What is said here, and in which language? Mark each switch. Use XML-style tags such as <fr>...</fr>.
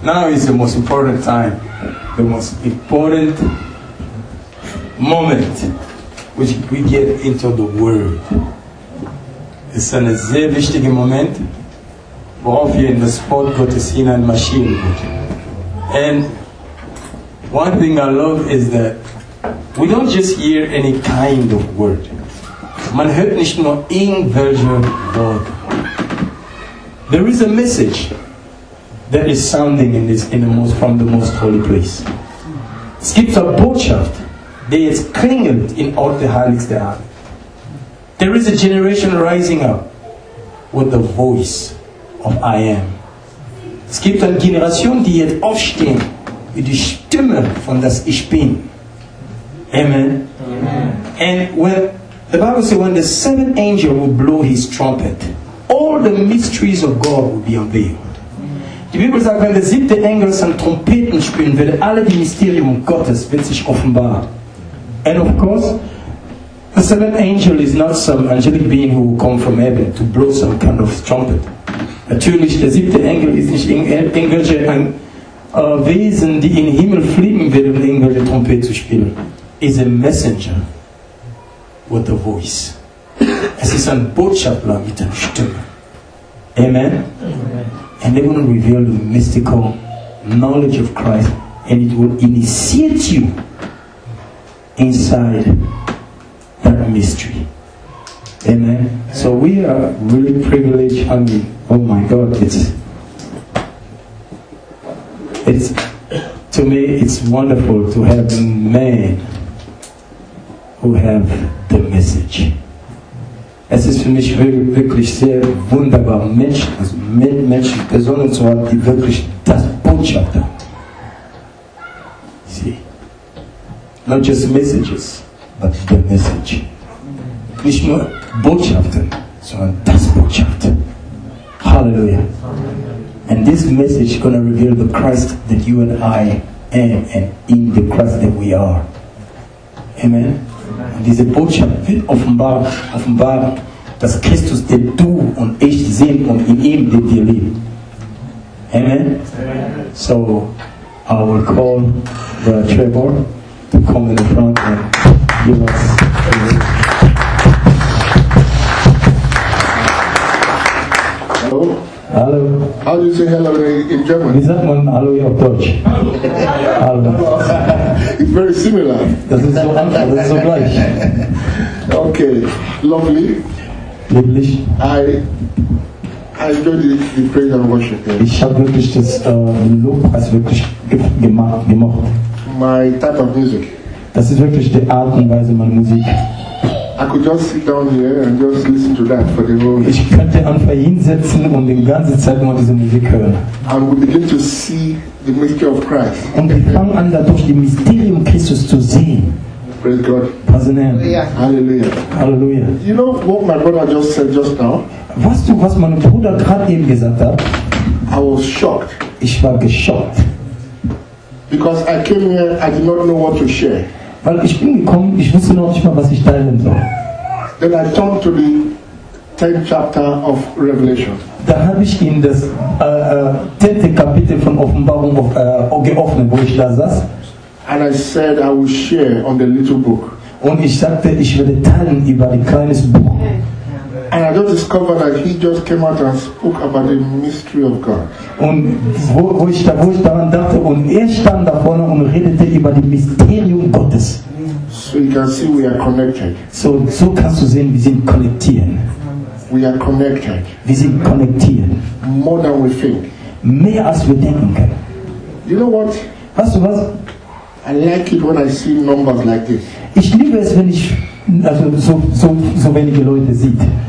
<en>is the most important time, the most important moment which we get into the Word.</en> <de>Es ist ein sehr wichtiger Moment, worauf wir in das Wort Gottes hinein marschieren können.</de> <en>And one thing I love is that we don't just hear any kind of word.</en> <de>Man hört nicht nur irgendwelche Worte.</de> <en>There is a message that is sounding in this, from the most holy place.</en> <de>Es gibt eine Botschaft, die jetzt klingelt in all der heiligsten Art.</de> <en>There is a generation rising up with the voice of I am.</en> <de>Es gibt eine Generation, die jetzt aufsteht mit der Stimme von das Ich Bin. Amen.</de> <en>And when the Bible says, when the seventh angel will blow his trumpet, all the mysteries of God will be unveiled.</en> <de>Die Bibel sagt, wenn der siebte Engel seine Trompeten spielen wird, alle die Mysterien Gottes wird sich offenbaren.</de> <en>And of course, the seventh angel is not some angelic being who will come from heaven to blow some kind of trumpet.</en> <de>Natürlich, der siebte Engel ist nicht irgendwelche Wesen, die in den Himmel fliegen wird, um irgendwelche Trompete zu spielen.</de> <en>Is a messenger with a voice.</en> <de>Es ist ein Botschafter mit einer Stimme. Amen? Amen.</de> <en>And they're going to reveal the mystical knowledge of Christ, and it will initiate you inside that mystery. Amen? Amen. So we are really privileged. I mean, oh my God, it's to me, it's wonderful to have men who have the message.</en> <de>Es ist für mich wirklich sehr wunderbar, Menschen, Personen zu haben, die wirklich das Botschaft haben.</de> <en>See? Not just messages, but the message.</en> <de>Nicht nur Botschaften, sondern das Botschaft. Hallelujah. Amen.</de> <en>And this message is going to reveal the Christ that you and I am, and in the Christ that we are. Amen.</en> <de>Und diese Botschaft wird offenbar, dass Christus, der du und ich sind und in ihm, der wir leben. Amen? Amen.</de> <en>So, I will call the Trevor to come in the front and give us a word. Hello?</en> <de>Hallo.</de> <en>How do you say hello in German?</en> <de>Wie sagt man Hallo in Deutsch? Hallo. Hallo.</de> <en>It's very similar.</en> <de>Das ist so einfach, das ist so gleich.</de> <en>Okay, lovely.</en> <de>Lieblich.</de> <en>I enjoyed the praise and worship.</en> <de>Ich habe wirklich das Lobpreis wirklich gemacht.</de> <en>My type of music.</en> <de>Das ist wirklich die Art und Weise meiner Musik.</de> <en>I could just sit down here and just listen to that for the whole.</en> <de>Ich könnte einfach hinsetzen und die ganze Zeit nur diese Musik hören.</de> <en>And we begin to see the mystery of Christ.</en> <de>Und wir fangen an, dadurch die Mysterium Christus zu sehen.</de> <en>Praise God. Praise the name. Hallelujah. Hallelujah. You know what my brother just said just now?</en> <de>Weißt du, was mein Bruder gerade eben gesagt hat?</de> <en>I was shocked.</en> <de>Ich war geschockt.</de> <en>Because I came here, I did not know what to share.</en> <de>Weil ich bin gekommen, ich wusste noch nicht mal, was ich teilen soll.</de> <en>Then I turned to the 10th chapter of Revelation.</en> <de>Da habe ich in das 10. Kapitel von Offenbarung geöffnet, wo ich da saß.</de> <en>And I said I will share on the little book.</en> <de>Und ich sagte, ich werde teilen über die kleines Buch.</de> <en>And I just discovered that he just came out and spoke about the mystery of God.</en> <de>Und wo ich daran dachte, und er stand da vorne und redete über die Mysterium Gottes.</de> <en>So you can see we are connected.</en> <de>So kannst du sehen, wir sind connected.</de> <en>We are connected.</en> <de>Wir sind connected.</de> <en>More than we think.</en> <de>Mehr als wir denken können.</de> <en>You know what?</en> <de>Weißt du was?</de> <en>I like it when I see numbers like this.</en> <de>Ich liebe es, wenn ich so wenige Leute sieht.</de>